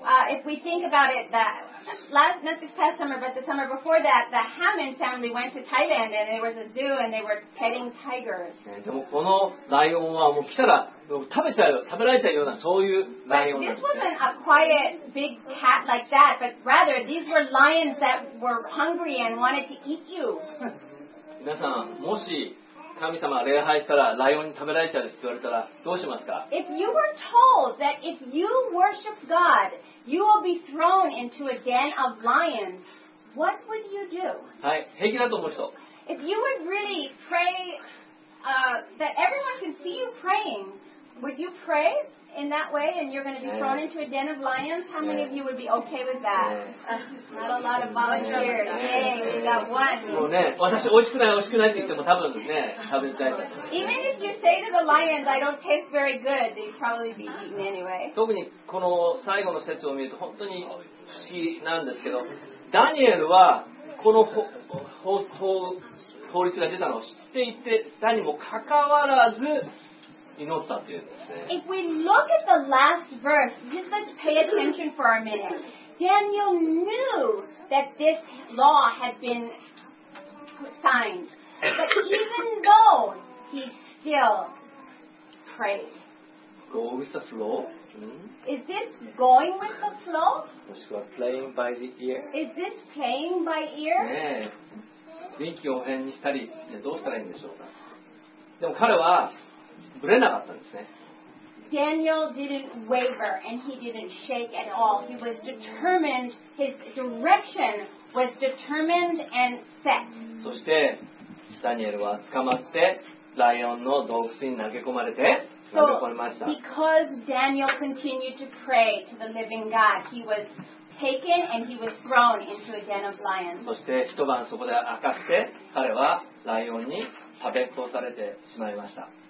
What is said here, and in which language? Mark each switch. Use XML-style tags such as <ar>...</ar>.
<en>If we think about it, that last, not this past summer, but the summer before that, the Hammond family went to Thailand and there was a zoo and they were petting tigers.</en> <ja>でもこのライオンはもう来たら食べちゃう、食べられちゃうようなそういうライオンなんですね。</ja> <en>But this wasn't a quiet big cat like that, but rather these were lions that were hungry and wanted to eat you.</en> <ja>皆さん、もし神様礼拝したらライオンに食べられちゃうって言われたらどうしますか？</ja> <en>If you were told that if you worship God, you will be thrown into a den of lions, what would you do?</en> <ja>はい、平気だと思う人。</ja> <en>If you would really pray, that everyone can see you praying, would you pray in that way and you're going to be thrown into a den of lions? How many of you would be okay with that? Not a lot of volunteers. Yay, we got one.</en> <ja>もうね、私美味しくない美味しくないって言っても多分ね、食べたいです。</ja> <en>Even if you say to the lions, I don't taste very good, they'd probably be eaten anyway.</en> <ja>特にこの最後の説を見ると本当に不思議なんですけど、ダニエルはこの法律が出たのを知っていて、何もかかわらず祈ったっていうんですね。</ja> <en>If we look at the last verse, just let's pay attention for a minute. Daniel knew that this law had been signed, but even though he still prayed. Go with the flow? Is this going with the flow?</en> <ja>もしくは</ja> <en>playing by the ear? Is this playing by ear?</en> <ja>ねえ、臨機応変にしたりどうしたらいいんでしょうか。でも彼はブレなかったんですね。</ja> <en>Daniel didn't waver and he didn't shake at all. He was determined. His direction was determined and set.</en> <ja>そしてダニエルは捕まってライオンの洞窟に投げ込まれて投げ込まれました。</ja> <en>So, because Daniel continued to pray to the living God, he was taken and he was thrown into a den of lions.</en> <ja>そして一晩そこで明かして彼はライオンに食べ殺されてしまいました。</ja>